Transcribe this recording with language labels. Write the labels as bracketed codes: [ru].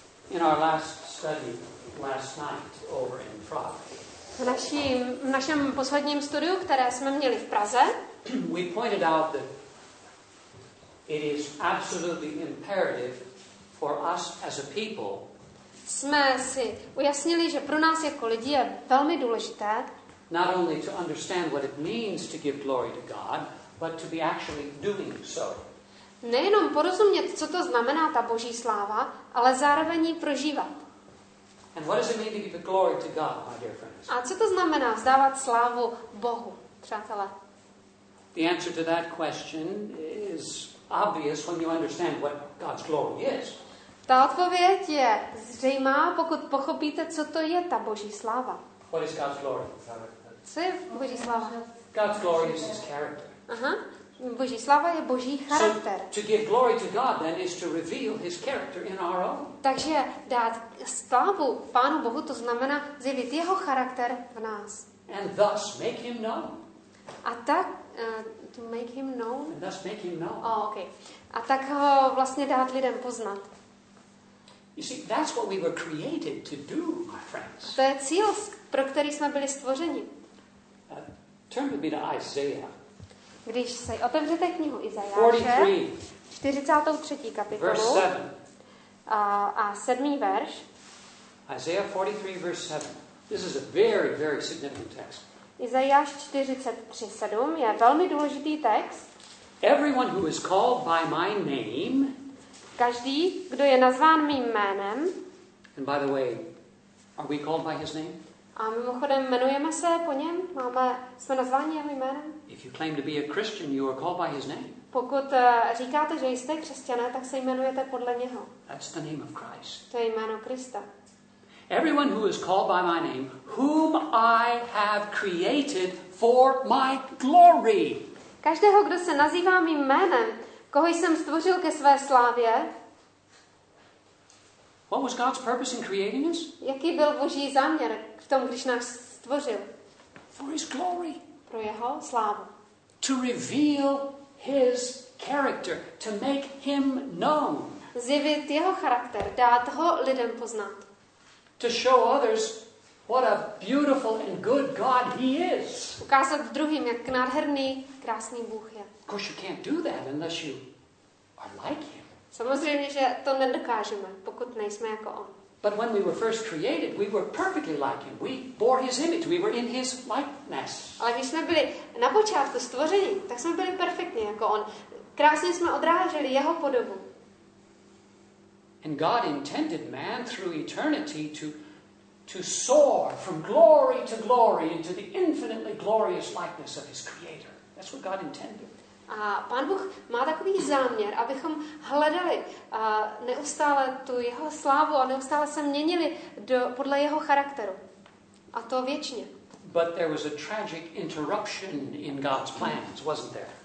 [en] In our last study last night over in Prague. [cs] V našem posledním studiu, které jsme měli v Praze, [en] we pointed out that it is absolutely imperative for us as a people. [cs] Jsme si ujasnili, že pro nás jako lidi je velmi důležité [en] not only to understand what it means to give glory to God, but to be actually doing so. [cs] Nejenom porozumět, co to znamená ta Boží sláva, ale zároveň ji prožívat. [en] And what does it mean to give glory to God, my dear friends? [cs] A co to znamená vzdávat slávu Bohu, přátelé? [en] The answer to that question is obvious when you understand what God's glory is. [cs] Ta odpověď je zřejmá, pokud pochopíte, co to je ta Boží sláva. [en] What is God's glory? [cs] Co je Boží sláva? [en] God's glory is his character. [cs] Aha. Boží sláva je Boží charakter. [en] So, to give glory to God then is to reveal his character in our own. [cs] Takže dát slávu Pánu Bohu to znamená zjevit jeho charakter v nás. [en] And thus make him known. [cs] A tak [en] to make him known. And thus make him known. Oh, okay. [cs] A tak ho vlastně dát lidem poznat. [en] You see, that's what we were created to do, my friends. [cs] A to je cíl, pro který jsme byli stvořeni. [en] Turn with me to Isaiah. [cs] Když se otevřete knihu Izajáše, [en] 43. [cs] kapitolu [en] verse 7. [cs] A 7. verš. [en] Isaiah 43, verse 7. This is a very, very significant text. [cs] Izajáš 43, 7 je velmi důležitý text. [en] Everyone who is called by my name. [cs] Každý, kdo je nazván mým jménem. [en] And by the way, are we called by his name? [cs] A mimochodem jmenujeme se po něm, jsme nazváni jeho jménem. [en] If you claim to be a Christian, you are called by his name. [cs] Pokud říkáte, že jste křesťané, tak se jmenujete podle něho. [en] That's the name of Christ. [cs] To je jméno Krista. [en] Everyone who is called by my name, whom I have created for my glory. [cs] Každého, kdo se nazývá mým jménem, koho jsem stvořil ke své slávě. [en] What was God's purpose in creating us? [cs] Jaký byl Boží záměr v tom, když nás stvořil? [en] For his glory. [cs] Pro jeho slávu. [en] To reveal his character, to make him known. [cs] Zjevit jeho charakter, dát ho lidem poznat. [en] To show others what a beautiful and good God he is. [cs] Ukázat druhým, jak nádherný, krásný Bůh je. [en] Of course you can't do that unless you are like him. [cs] Samozřejmě, že to nedokážeme, pokud nejsme jako on. [en] But when we were first created, we were perfectly like him. We bore his image. We were in his likeness. [cs] Ale když jsme byli na počátku stvoření, tak jsme byli perfektně jako on. Krásně jsme odráželi jeho podobu. [en] And God intended man through eternity to soar from glory to glory into the infinitely glorious likeness of his creator. That's what God intended. [cs] A Pán Bůh má takový záměr, abychom hledali neustále tu jeho slávu a neustále se měnili podle jeho charakteru. A to věčně. [en] But there was a tragic interruption in God's plans, wasn't there?